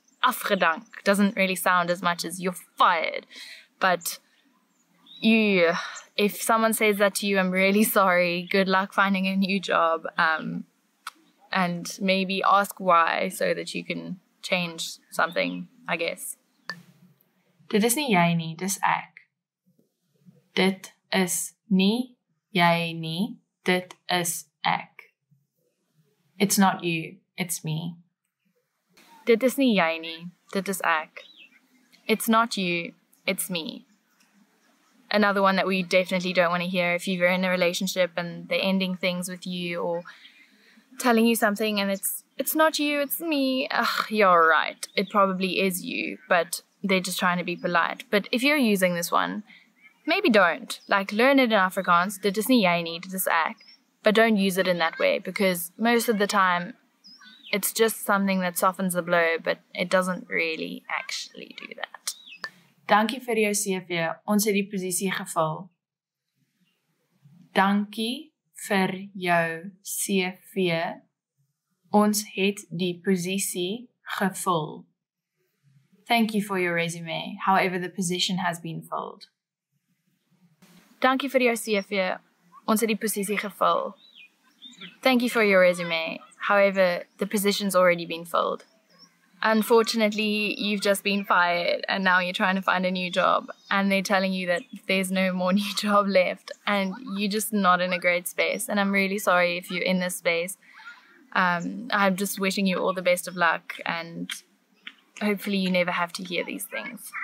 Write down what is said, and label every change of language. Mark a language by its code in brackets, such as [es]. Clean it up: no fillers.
[en] Afgedank doesn't really sound as much as you're fired, but if someone says that to you, I'm really sorry. Good luck finding a new job, and maybe ask why so that you can change something, I guess. [af] Dit is nie jy nie, dis ek. Dit is nie jy nie, dit is ek. [en] It's not you, it's me. [af] Dit is nie jy nie, dit is ek. [en] It's not you, it's me. Another one that we definitely don't want to hear if you're in a relationship and they're ending things with you or telling you something and it's not you, it's me. Ugh, you're right. It probably is you, but they're just trying to be polite. But if you're using this one, Maybe don't. Like, learn it in Afrikaans, [af] dit is nie jy nie, dit is ek. [en] But don't use it in that way, because most of the time, it's just something that softens the blow, but it doesn't really actually do that. [af] Dankie vir jou CV, ons het die posisie gevul. Dankie vir jou CV, ons het die posisie gevul. [en] Thank you for your resume, however the position has been filled. [af] Dankie vir jou CV, ons het die posisie gevul. [en] Thank you for your resume, however the position's already been filled. Unfortunately, you've just been fired and now you're trying to find a new job and they're telling you that there's no more new job left and you're just not in a great space. And I'm really sorry if you're in this space. I'm just wishing you all the best of luck and hopefully you never have to hear these things.